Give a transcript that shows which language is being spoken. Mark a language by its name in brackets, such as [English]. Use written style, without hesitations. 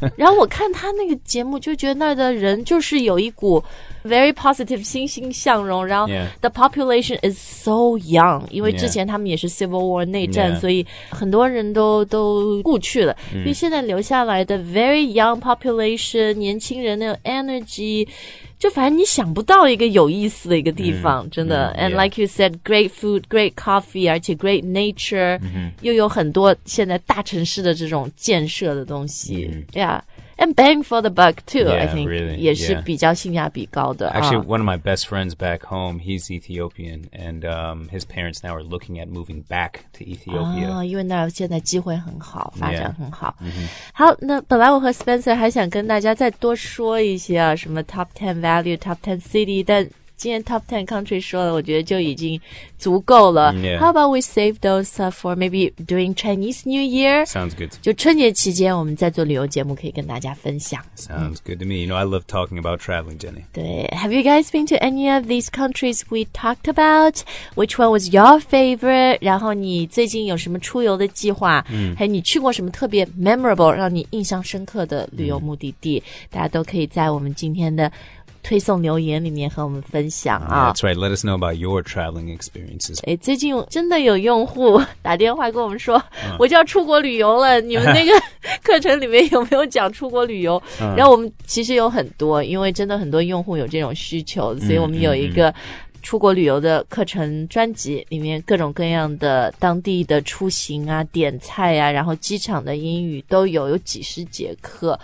[Chinese] 然后我看他那个节目，就觉得那儿的人就是有一股。 [English] Very positive, [Chinese] 欣欣向荣然后 [English] the population is so young, [Chinese] 因为之前他们也是 civil war 内战、 [English] yeah. [Chinese] 所以很多人都故去了。所以现在留下来的 [English] very young population, [Chinese] 年轻人那种 energy, 就反正你想不到一个有意思的一个地方、mm. 真的。 [English] Mm. And、 yeah. like you said, great food, great coffee, 而且 great nature,、 mm-hmm. [Chinese] 又有很多现在大城市的这种建设的东西。 Mm. [English] Yeah. And bang for the buck, too, yeah, I think. Really, [Chinese] 也是比较性价比高的。 [English] Actually, one of my best friends back home, he's Ethiopian, and、his parents now are looking at moving back to Ethiopia. [Chinese] 哦、因为那儿现在机会很好发展很好。 [English] Yeah. [Chinese] 好那本来我和 Spencer 还想跟大家再多说一些、啊、什么 [English] top 10 value, top 10 city, [Chinese] 但今天 top 10 country 说了，我觉得就已经足够了。 [English] Yeah. How about we save those for maybe doing Chinese New Year? Sounds good. [Chinese] 就春节期间我们在做旅游节目可以跟大家分享。 [English] Sounds good to me. You know, I love talking about traveling, Jenny. [Chinese] 对。 [English] Have you guys been to any of these countries we talked about? Which one was your favorite? [Chinese] 然后你最近有什么出游的计划、嗯、还有你去过什么特别 memorable, 让你印象深刻的旅游目的地、嗯、大家都可以在我们今天的推送留言里面和我们分享啊、 [English] oh, That's right, let us know about your traveling experiences [Chinese] 诶最近真的有用户打电话跟我们说、我就要出国旅游了你们那个课程里面有没有讲出国旅游、然后我们其实有很多因为真的很多用户有这种需求所以我们有一个出国旅游的课程专辑里面各种各样的当地的出行啊点菜啊然后机场的英语都有几十节课、